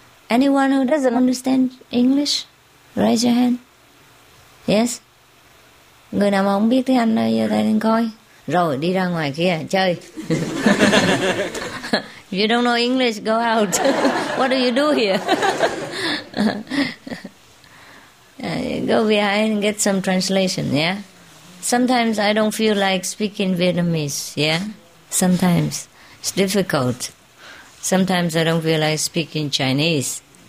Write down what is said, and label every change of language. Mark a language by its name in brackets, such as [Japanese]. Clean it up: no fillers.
[English] Anyone who doesn't understand English, raise your hand. Yes? [Vietnamese] Người nào mà không biết tiếng Anh đây, giơ tay lên coi. Rồi, đi ra ngoài kia, chơi. [English] If you don't know English, go out. What do you do here? Go behind and get some translation, yeah? Sometimes I don't feel like speaking Vietnamese, yeah? Sometimes it's difficult. Sometimes I don't feel like speaking Chinese.